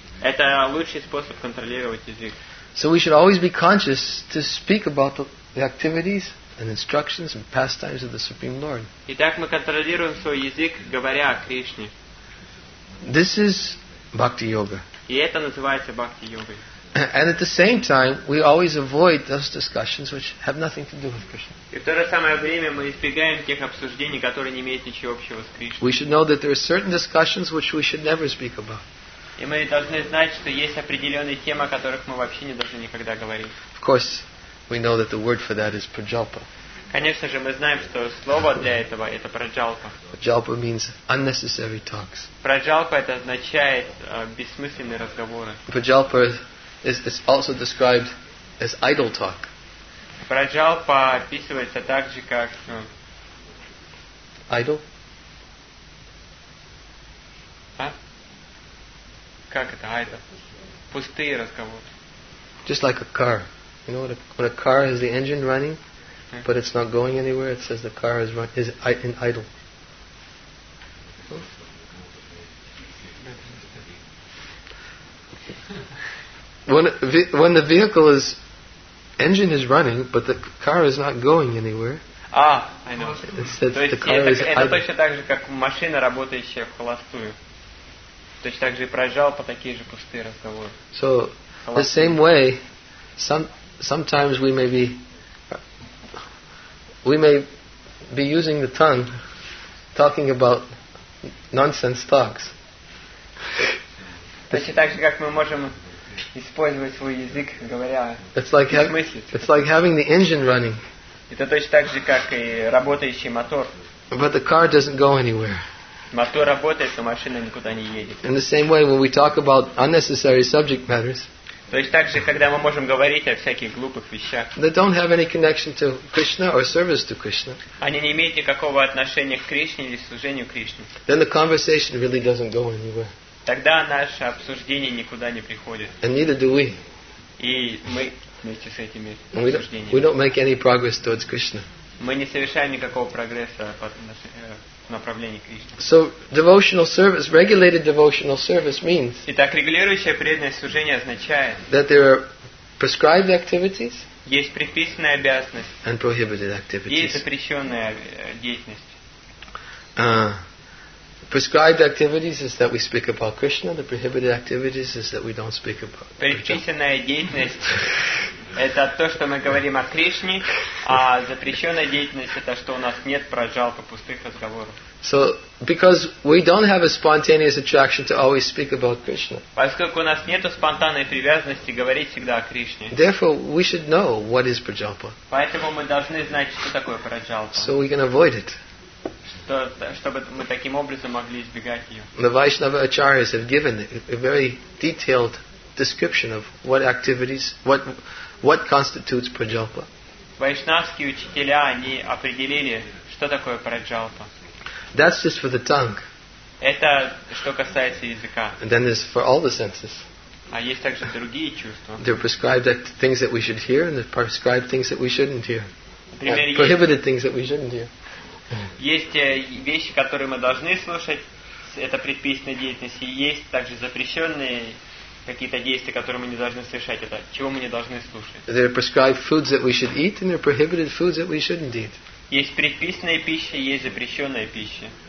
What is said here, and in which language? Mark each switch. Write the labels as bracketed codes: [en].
[ru] Это лучший способ контролировать язык. [en] So we should always be conscious to speak about the activities and instructions and pastimes of the Supreme Lord. [ru] Итак, мы контролируем свой язык, говоря о Кришне. [en] This is bhakti yoga. [ru] И это называется бхакти йогой. [en] And at the same time, we always avoid those discussions which have nothing to do with Krishna. [ru] И в то же самое время мы избегаем тех обсуждений, которые не имеют ничего общего с Кришной. [en] We should know that there are certain discussions which we should never speak about. [ru] И мы должны знать, что есть определенные темы, о которых мы вообще не должны никогда говорить. [en] Of course, we know that the word for that is prajalpa. [ru] Конечно же, мы знаем, что слово для этого это праджалпа. [en] Prajalpa means unnecessary talks. [ru] Праджалпа это означает бессмысленные разговоры. [en] Prajalpa is also described as idle talk. [ru] Праджалпа описывается так же, как [en] idle. [ru] Как это idle? Пустые разговоры. [en] Just like a car. You know, when a car has the engine running, but it's not going anywhere, it says the car is in idle. When the vehicle is engine is running, but the car is not going anywhere. Ah, I know. It says the car is idle. [ru] Это точно так же, как машина, работающая в холостую. Точно так же и проезжал по такие же пустые разговоры. [en] So the same way, sometimes we may be using the tongue talking about nonsense talks. [ru] Точно так же, как мы можем использовать свой язык, говоря [en] It's like having the engine running. [ru] Это точно так же, как и работающий мотор. [en] But the car doesn't go anywhere. [ru] Мотор работает, но машина никуда не едет. [en] In the same way, when we talk about unnecessary subject matters, [ru] то есть так же, когда мы можем говорить о всяких глупых вещах, [en] they don't have any connection to Krishna or service to Krishna, [ru] они не имеют никакого отношения к Кришне или служению Кришне, [en] then the conversation really doesn't go anywhere. [ru] Тогда наше обсуждение никуда не приходит. [en] And neither do we. [ru] И мы вместе с этими обсуждениями. [en] We don't make any progress towards Krishna. [ru] Мы не совершаем никакого прогресса по отношению. [en] So devotional service, regulated devotional service means. [ru] Итак, регулирующее преданное служение означает. [en] That there are prescribed activities. [ru] Есть предписанная обязанность. [en] And prohibited activities. [ru] Есть запрещенная деятельность. [en] Prescribed activities is that we speak about Krishna. The prohibited activities is that we don't speak about. [ru] Предписанная деятельность. Это то, что мы говорим о Кришне, а запрещенная деятельность это что у нас нет праджалпы, пустых разговоров. [en] So because we don't have a spontaneous attraction to always speak about Krishna. [ru] Поскольку у нас нет спонтанной привязанности говорить всегда о Кришне. [en] Therefore we should know what is праджалпа. [ru] Поэтому мы должны знать, что такое праджалпа. [en] So we can avoid it. [ru] Чтобы мы таким образом могли избегать ее. [en] The Vaishnava acharyas have given a very detailed description of what activities what constitutes prajalpa. [ru] Vaishnavские учителя они определили, что такое праджалпа. [en] That's just for the tongue. [ru] Это что касается языка. [en] And then there's for all the senses. [ru] А есть также другие чувства. [en] There are prescribed things that we should hear and the prescribed things that we shouldn't hear. Prohibited things that we shouldn't hear. [ru] Есть вещи, которые мы должны слушать, это предписанная деятельность, и есть также запрещенные какие-то действия, которые мы не должны совершать, это чего мы не должны слушать. [en] There are prescribed foods that we should eat, and there are prohibited foods that we shouldn't eat. [ru] Есть предписанная пища, есть запрещенная пища.